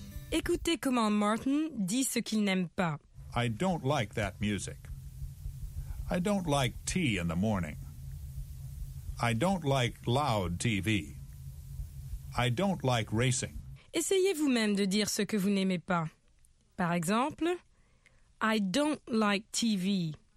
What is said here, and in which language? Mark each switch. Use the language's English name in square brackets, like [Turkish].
[French] Écoutez comment Martin dit ce qu'il n'aime pas. [English] I don't like that music. I don't like tea in the morning. I don't like loud TV. I don't like racing. [French] Essayez vous-même de dire ce que vous n'aimez pas. Par exemple, [English] I don't like TV.